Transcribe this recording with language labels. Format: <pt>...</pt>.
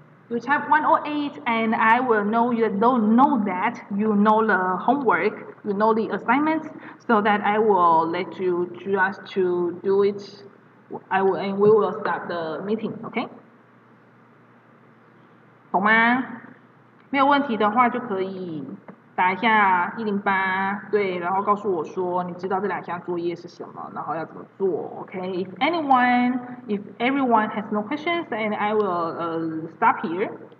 <en>You type 108 and I will know you don't know that you know the homework, you know the assignments, so that I will let you just to do it. I will, and we will start the meeting, okay?</en> <zh>懂吗? 没有问题的话就可以打一下108, 对,然后告诉我说你知道这两项作业是什么,然后要怎么做, okay?</zh> <en>If everyone has no questions, then I will stop here.</en>